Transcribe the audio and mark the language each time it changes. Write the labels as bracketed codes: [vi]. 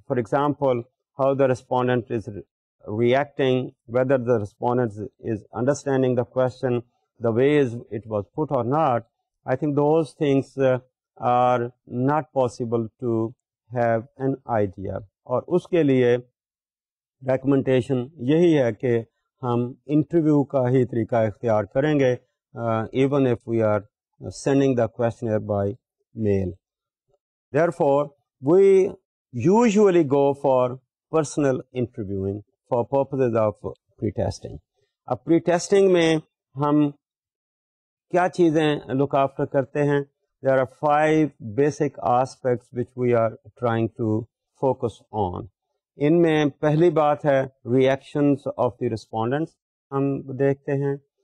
[en] For example, how the respondent is reacting, whether the respondent is understanding the question, the way it was put or not. I think those things are not possible to have an idea. [ur] اور اس کے لیے recommendation یہی ہے کہ ہم interview کا ہی طریقہ اختیار کریں گے [en] Even if we are sending the questionnaire by mail. Therefore we usually go for personal interviewing for purposes of pretesting. [ur] اب پری ٹیسٹنگ میں ہم کیا چیزیں لک آفٹر کرتے ہیں؟ [en] There are 5 basic aspects which we are trying to focus on. [ur] ان میں پہلی بات ہے [en] reactions of the respondents [ur] ہم دیکھتے ہیں.